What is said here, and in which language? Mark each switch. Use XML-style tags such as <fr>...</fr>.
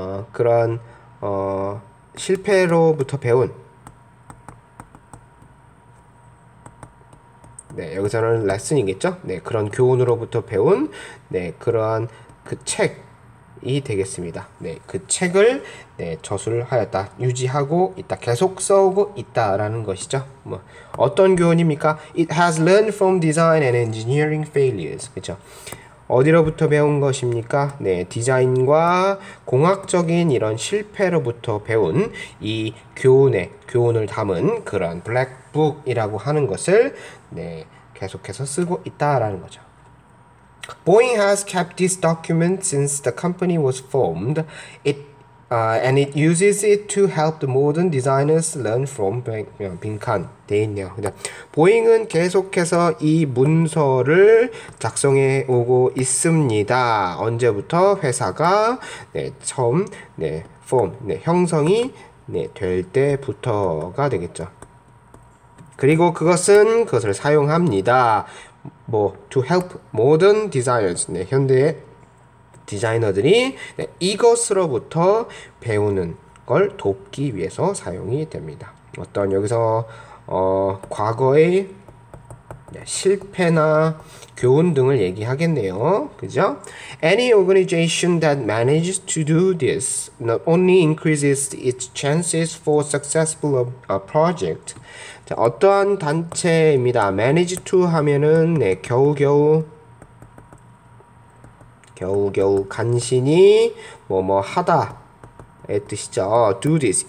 <ko>그런 실패로부터 배운 네, 여기서는 레슨이겠죠? 네, 그런 교훈으로부터 배운 네, 그러한 그 책이 되겠습니다. 네, 그 책을 네, 저술하였다. 유지하고 있다. 계속 써오고 있다라는 것이죠. 뭐 어떤 교훈입니까?</ko> <en>It has learned from design and engineering failures.</en> <ko>그렇죠? 어디로부터 배운 것입니까? 네, 디자인과 공학적인 이런 실패로부터 배운 이 교훈을 담은 그런 블랙북이라고 하는 것을 네, 계속해서 쓰고 있다라는 거죠.</ko> <en>Boeing has kept this document since the company was formed. And it uses it to help the modern designers learn from</en> <ko>빈칸 돼 있네요. 근데 보잉은 계속해서 이 문서를 작성해 오고 있습니다. 언제부터 회사가 네, 처음 네, form 네, 형성이 네, 될 때부터가 되겠죠. 그리고 그것을 사용합니다. 뭐,</ko> <en>to help modern designers,</en> <ko>네, 현대의 디자이너들이 네, 이것으로부터 배우는 걸 돕기 위해서 사용이 됩니다. 어떤 여기서 과거의 네, 실패나 교훈 등을 얘기하겠네요. 그죠?</ko> <en>Any organization that manages to do this not only increases its chances for successful project.</en> <ko>자, 어떠한 단체입니다. manage to 하면은 네, 겨우겨우 간신히 뭐뭐 하다. 의 뜻이죠.</ko> <en>Do this.</en>